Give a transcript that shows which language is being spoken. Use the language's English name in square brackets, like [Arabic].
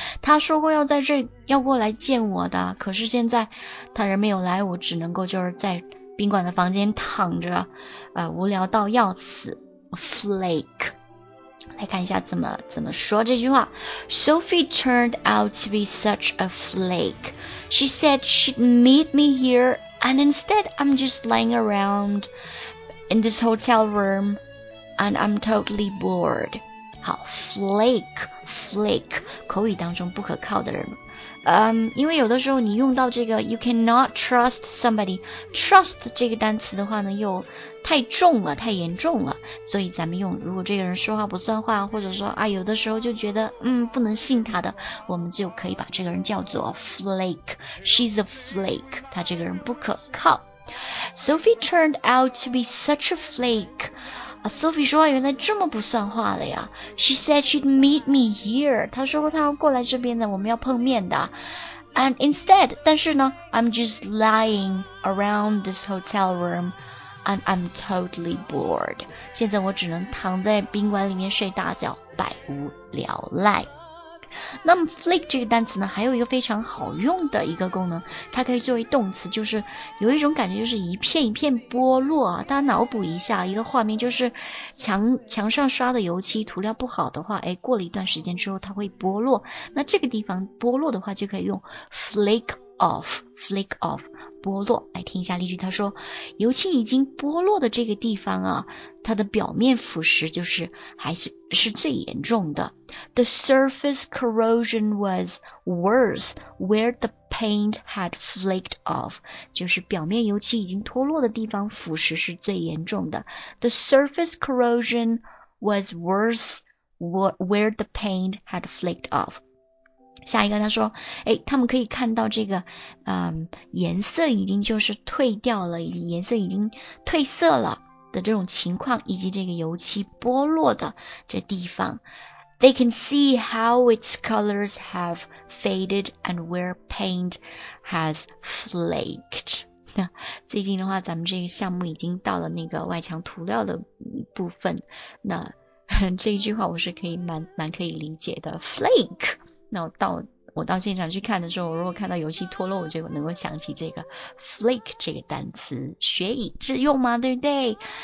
[Chinese] 她说过要在这要过来见我的，可是现在她人没有来，我只能够就是在宾馆的房间躺着，无聊到要死。 [English] Flake。 [Chinese] 来看一下怎么说这句话。 [English] Sophie turned out to be such a flake. She said she'd meet me here, and instead I'm just lying around in this hotel room, and I'm totally bored. [Chinese] 好 ,flake, 口语当中不可靠的人。因为有的时候你用到这个 [English] you cannot trust somebody, [Chinese] trust 这个单词的话呢又太重了太严重了，所以咱们用如果这个人说话不算话，或者说啊有的时候就觉得不能信他的，我们就可以把这个人叫做 flake, [English] she's a flake, [Chinese] 他这个人不可靠。 [English] Sophie turned out to be such a flake,Sophie [Chinese] 说话原来这么不算话了呀。 [English] She said she'd meet me here. [Chinese] 她说过她要过来这边的，我们要碰面的。 [English] And instead, [Chinese] 但是呢 [English] I'm just lying around this hotel room and I'm totally bored. [Chinese] 现在我只能躺在宾馆里面睡大觉，百无聊赖。那么 flake 这个单词呢还有一个非常好用的一个功能，它可以作为动词，就是有一种感觉就是一片一片剥落啊。大家脑补一下一个画面，就是墙上刷的油漆涂料不好的话，哎，过了一段时间之后它会剥落，那这个地方剥落的话就可以用 flake off 剥落。来听一下例句，他说油漆已经剥落的这个地方啊，它的表面腐蚀就是还是最严重的。 [English] The surface corrosion was worse where the paint had flaked off, [Chinese] 就是表面油漆已经脱落的地方腐蚀是最严重的。 [English] The surface corrosion was worse where the paint had flaked off。 [Chinese] 下一个他说诶他们可以看到这个颜色已经就是褪掉了，颜色已经褪色了的这种情况，以及这个油漆剥落的这地方。 [English] They can see how its colors have faded and where paint has flaked. [Chinese] 最近的话咱们这个项目已经到了那个外墙涂料的部分。那这一句话我是可以蛮可以理解的。 [English] Flake! [Chinese] 那我到现场去看的时候，我如果看到游戏脱落，我就能够想起这个 flake 这个单词，学以致用吗？对不对？